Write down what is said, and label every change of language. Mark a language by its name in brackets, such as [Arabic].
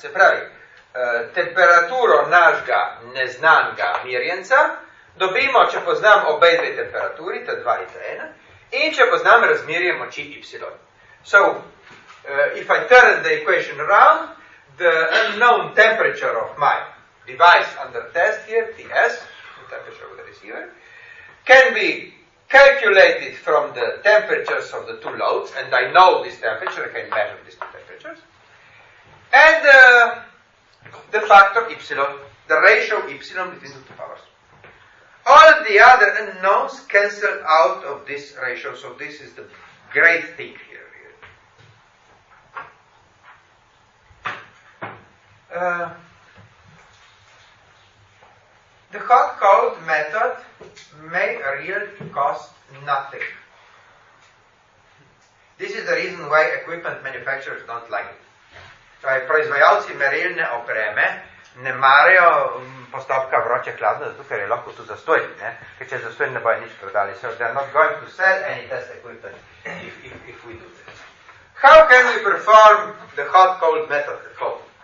[Slovenian] Se pravi, temperaturo našega neznanega merjenca dobimo, če poznam obe dve temperaturi, T2 in T1, in če poznam razmerje moči Y. [English] So, if I turn the equation around, the unknown temperature of my device under test here, TS, the temperature of the receiver, can be calculated from the temperatures of the two loads, and I know this temperature, I can measure this temperature. And the factor y, the ratio y between the two powers. All the other unknowns cancel out of this ratio, so this is the great thing here. Really. The hot cold method may really cost nothing. This is the reason why equipment manufacturers don't like it. [Slovenian] Torej, proizvajalci merilne opreme ne marajo postopka vroče hladno, zato ker je lahko to zastojni, ne? Ker če zastojni ne bojo nič prodali. [English] So they are not going to sell any test equipment if we do this. How can we perform the hot-cold method at home?